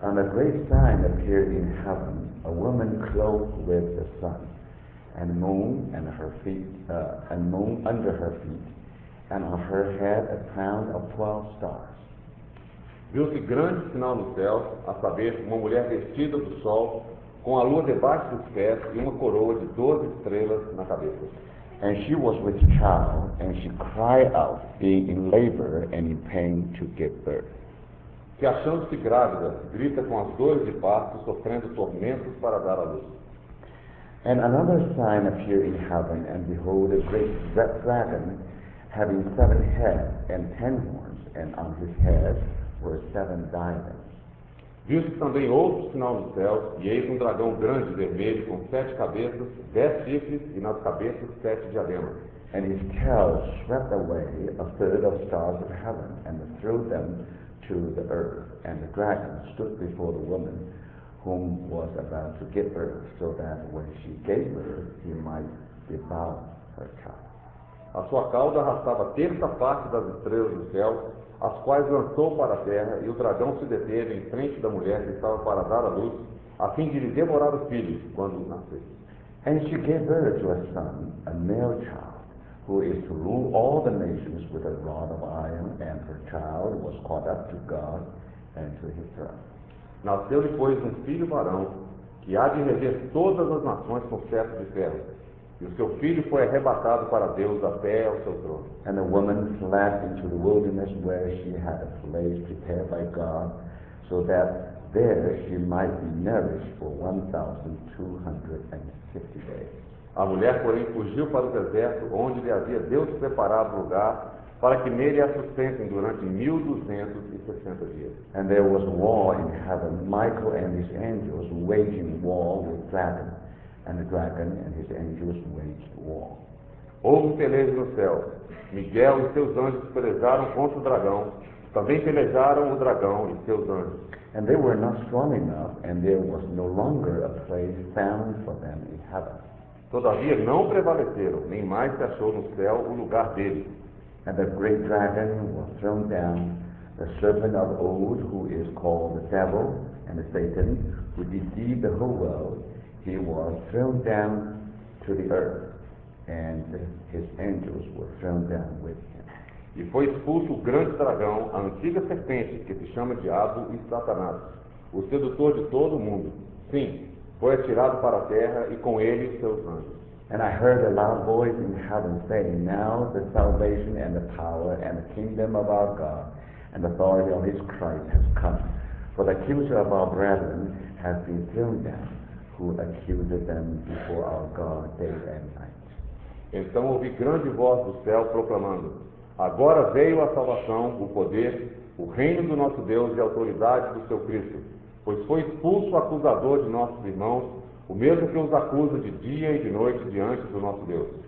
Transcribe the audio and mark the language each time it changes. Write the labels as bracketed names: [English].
[English] And a great sign appeared in heaven, a woman clothed with the sun, and moon, and her feet, and moon under her feet, and on her head a crown of 12 stars. [Portuguese] Viu-se grande sinal no céu, a saber, uma mulher vestida do sol, com a lua debaixo dos pés e uma coroa de 12 estrelas na cabeça. [English] And she was with child, and she cried out, being in labor and in pain to give birth. [Portuguese] Que achando-se grávida, grita com as dores de parto, sofrendo tormentos para dar à luz. [English] And another sign appeared in heaven, and behold, a great red dragon, having 7 heads and 10 horns, and on his head were 7 diadems. [Portuguese] Viu-se também outro sinal no céu, e eis um dragão grande, vermelho, com 7 cabeças, 10 chifres, e nas cabeças 7 diademas. [English] And his tail swept away a third of the stars of heaven, and threw them to the earth. And the dragon stood before the woman, whom was about to give birth, so that when she gave birth, he might devour her child. [Portuguese] A sua cauda arrastava a terça parte das estrelas do céu, as quais lançou para a terra, e o dragão se deteve em frente da mulher que estava para dar à luz, a fim de lhe devorar o filho quando nascesse. [English] And she gave birth to a son, a male child, who is to rule all the nations with a rod of iron, and her child was caught up to God and to his throne. [Portuguese] Nasceu-lhe, pois, um filho varão, que há de reger todas as nações com cetro de ferro. E o seu filho foi arrebatado para Deus da fé ao seu trono. [English] And the woman fled into the wilderness where she had a place prepared by God, so that there she might be nourished for 1,260 days. [Portuguese] A mulher, porém, fugiu para o deserto, onde lhe havia Deus preparado lugar, para que nele a sustentem durante 1,260 dias. [English] And there was war in heaven, Michael and his angels waging war with dragon. And the dragon and his angels waged war. [Portuguese] Houve peleja no céu. Miguel e seus anjos pelejaram contra o dragão. Também pelejaram o dragão e seus anjos. [English] And they were not strong enough, and there was no longer a place found for them in heaven. [Portuguese] Todavia não prevaleceram, nem mais se achou no céu o lugar deles. [English] And the great dragon was thrown down, the serpent of old, who is called the devil and the Satan, who deceived the whole world. He was thrown down to the earth, and his angels were thrown down with him. [Portuguese] E foi expulso o grande dragão, a antiga serpente, que se chama Diabo e Satanás, o sedutor de todo o mundo. Sim, foi atirado para a terra, e com ele os seus anjos. [English] And I heard a loud voice in heaven saying, Now the salvation and the power and the kingdom of our God and the authority of his Christ has come. For the accuser of our brethren has been thrown down, who accused them before our God day and night. [Portuguese] Então ouvi grande voz do céu proclamando, Agora veio a salvação, o poder, o reino do nosso Deus e a autoridade do seu Cristo, pois foi expulso o acusador de nossos irmãos, o mesmo que os acusa de dia e de noite diante do nosso Deus.